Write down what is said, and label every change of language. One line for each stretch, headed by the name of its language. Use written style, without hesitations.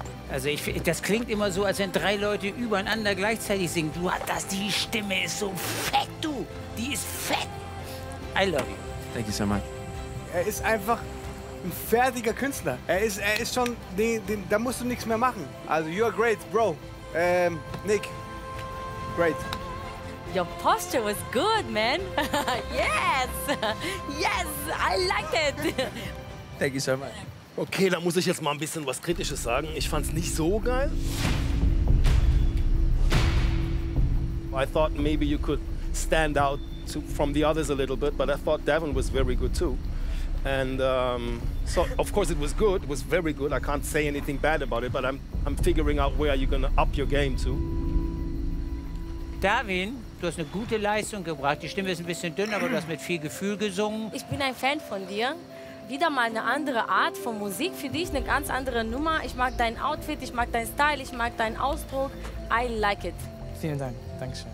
German: Also das klingt immer so, als wenn drei Leute übereinander gleichzeitig singen. Du hast das, die Stimme ist so fett, du. Die ist fett.
English: I love you. Thank you so much.
German: Er ist einfach ein fertiger Künstler. Er ist schon, da musst du nichts mehr machen.
English: Also you are great, bro. Nick, great. Your posture was good, man. Yes, yes, I like it. Thank you so much.
German: Okay, da muss ich jetzt mal ein bisschen was Kritisches sagen. Ich fand's nicht so geil.
English: I thought maybe you could stand out from the others a little bit, but I thought Devin was very good too. And So of course it was good. It was very good. I can't say anything bad about it. But I'm figuring out where you're gonna up your game to.
German: Darwin, du hast eine gute Leistung gebracht. Die Stimme ist ein bisschen dünn, aber du hast mit viel Gefühl gesungen. Ich bin ein Fan von dir. Wieder mal eine andere Art von Musik für dich, eine ganz andere Nummer. Ich mag dein Outfit, ich mag dein Style, ich mag deinen Ausdruck.
English: I like it.
German: Vielen Dank. Dankeschön.